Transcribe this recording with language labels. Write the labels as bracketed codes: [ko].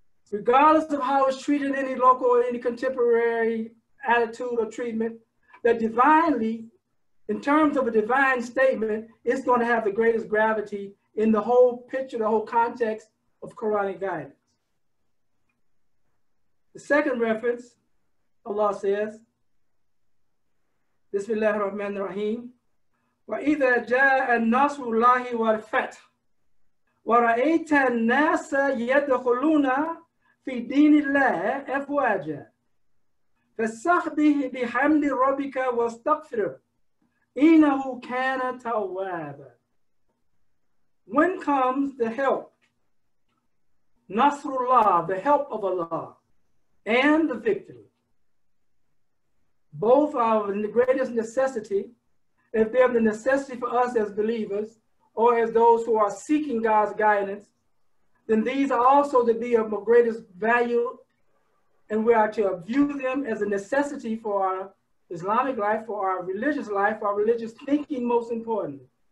[en] regardless of how it's treated in any local or any contemporary attitude or treatment, that divinely, in terms of a divine statement, it's going to have the greatest gravity in the whole picture, the whole context of Quranic guidance. The second reference, Allah says, Bismillah ar-Rahman ar-Rahim, [ar] وَإِذَا جَاءَ النَّصْرُ اللَّهِ وَالْفَتْحُ وَرَأَيْتَ النَّاسَ يَدْخُلُونَ فِي دِينِ اللَّهِ أَفْوَاجًا فَاسْتَغْفِرْ بِحَمْدِ رَبِّكَ وَاسْتَغْفِرْهُ إِنَّهُ كَانَ تَوَّابًا. [en] When comes the help, Nasrullah, the help of Allah, and the victory, both are the greatest necessity, if they're the necessity for us as believers, or as those who are seeking God's guidance, then these are also to be of the greatest value, and we are to view them as a necessity for our Islamic life, for our religious thinking, most importantly.